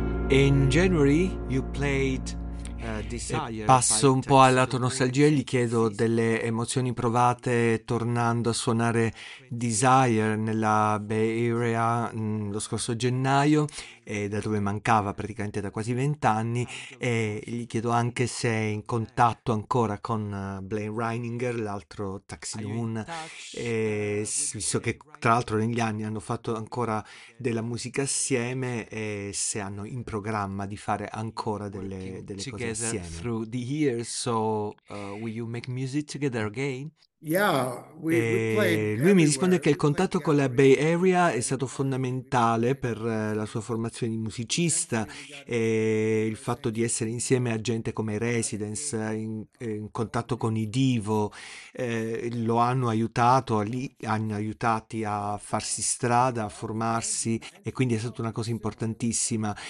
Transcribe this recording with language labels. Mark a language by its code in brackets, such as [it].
[en] In January you played Desire. [it] Passo un po' al lato nostalgia e gli chiedo delle emozioni provate tornando a suonare Desire nella Bay Area lo scorso gennaio, da dove mancava praticamente da quasi 20 anni, e gli chiedo anche se è in contatto ancora con Blaine Reininger, l'altro Taxi Moon, visto che tra l'altro negli anni hanno fatto ancora della musica assieme, e se hanno in programma di fare ancora delle cose assieme. [en] Through the years, so will you make music together again? [it] E lui mi risponde che il contatto con la Bay Area è stato fondamentale per la sua formazione di musicista e il fatto di essere insieme a gente come Residence, in contatto con i Devo, lo hanno aiutato, li hanno aiutati a farsi strada, a formarsi e quindi è stata una cosa importantissima.